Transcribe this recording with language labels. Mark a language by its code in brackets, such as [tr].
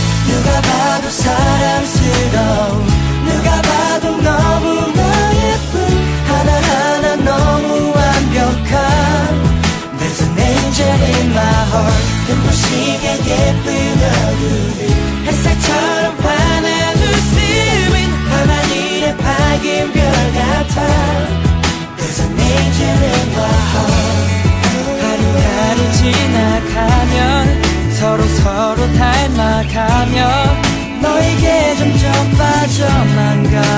[ko] 누가 봐도 사랑스러운, 누가 봐도 너무나 예쁜, 하나하나 너무 완벽한. [en] There's an angel in my heart. [ko] 눈부시게 예쁜 얼굴이 햇살처럼 환한 웃음은 하나님의 밝은 별 같아. [en] There's an angel in my heart. [ko] 지나가면 서로 서로 닮아가면 너에게 점점 빠져만 가.